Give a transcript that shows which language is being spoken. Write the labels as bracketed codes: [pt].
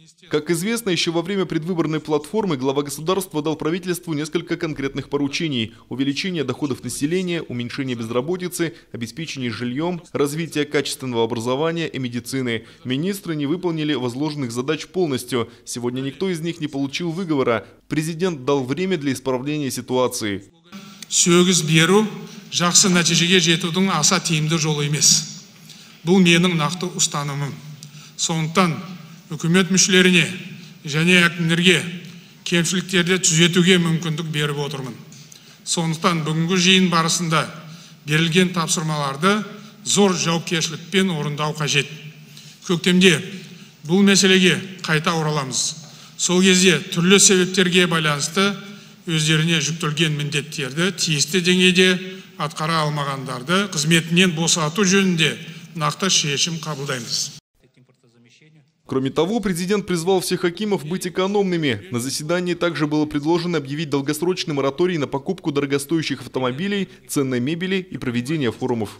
[ru] Как известно, еще во время предвыборной платформы глава государства дал правительству несколько конкретных поручений. Увеличение доходов населения, уменьшение безработицы, обеспечение жильем, развитие качественного образования и медицины. Министры не выполнили возложенных задач полностью. Сегодня никто из них не получил выговора. Президент дал время для исправления ситуации. [kk] Сөгіз беру, жақсы нәтижеге жетудің аса тиімді жолы емес. Бұл менің нақты ұстанымым. Сондықтан үкімет мүшелеріне және әкімдерге кемшіліктерді түзетуге мүмкіндік беріп отырмын. Сондықтан бүгінгі жиын барысында берілген тапсырмаларды зор жауапкершілікпен орындау қажет. Көктемде бұл мәселеге қайта ораламыз. Сол кезде түрлі себептерге байланысты өздеріне жүктелген міндеттерді тиісті деңгейде атқара алмағандарды қызметінен босату жөнінде нақты шешім қабылдаймыз. [ru] Кроме того, президент призвал всех акимов быть экономными. На заседании также было предложено объявить долгосрочный мораторий на покупку дорогостоящих автомобилей, ценной мебели и проведение форумов.